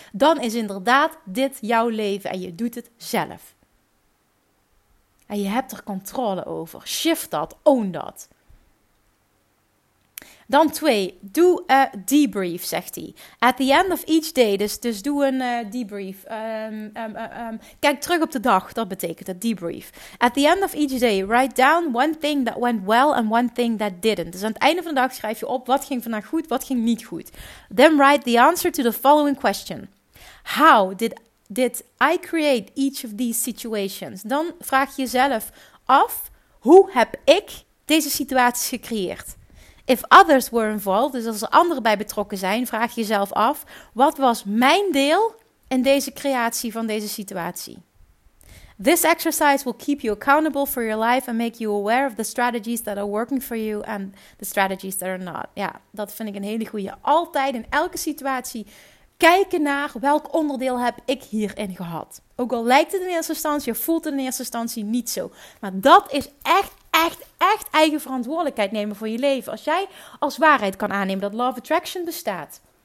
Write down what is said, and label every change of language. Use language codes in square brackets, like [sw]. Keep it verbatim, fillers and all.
[nl] Dan is inderdaad dit jouw leven en je doet het zelf. En je hebt er controle over. [en] Shift [nl] dat, [en] own [nl] dat. Dan twee, doe [en] a [nl] debrief, zegt hij. [en] At the end of each day, [nl] dus, dus doe een uh, debrief. Um, um, um, kijk terug op de dag, dat betekent het, debrief. [en] At the end of each day, write down one thing that went well and one thing that didn't. [nl] Dus aan het einde van de dag schrijf je op, wat ging vandaag goed, wat ging niet goed. [en] Then write the answer to the following question. How did, did I create each of these situations? [nl] Dan vraag je jezelf af, hoe heb ik deze situaties gecreëerd? [en] If others were involved, [nl] dus als er anderen bij betrokken zijn, vraag je jezelf af, wat was mijn deel in deze creatie van deze situatie? [en] This exercise will keep you accountable for your life and make you aware of the strategies that are working for you and the strategies that are not. [nl] Ja, dat vind ik een hele goeie. Altijd in elke situatie kijken naar welk onderdeel heb ik hierin gehad. Ook al lijkt het in eerste instantie, of voelt het in eerste instantie niet zo. Maar dat is echt, echt, echt eigen verantwoordelijkheid nemen voor je leven. Als jij als waarheid kan aannemen dat Law of Attraction bestaat.